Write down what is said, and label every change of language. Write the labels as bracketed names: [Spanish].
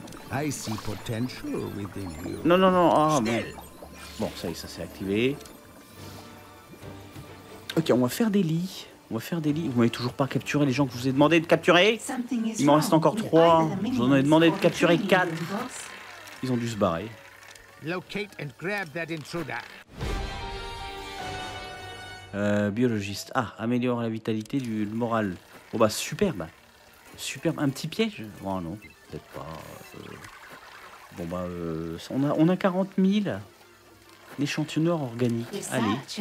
[English] I see potential within you. [French] Non. Ah, mais... Bon, ça y est, ça s'est activé. Ok, on va faire des lits. On va faire des lits. Vous m'avez toujours pas capturé les gens que je vous ai demandé de capturer. Il m'en reste encore 3. Je vous en ai demandé de capturer 4. Ils ont dû se barrer. [English] Locate and grab that intruder. [French] Biologiste. Ah, améliore la vitalité du moral. Bon bah superbe. Superbe. Un petit piège. Oh non, peut-être pas. Bon bah on a 40 000. L'échantillonneur organique. Allez.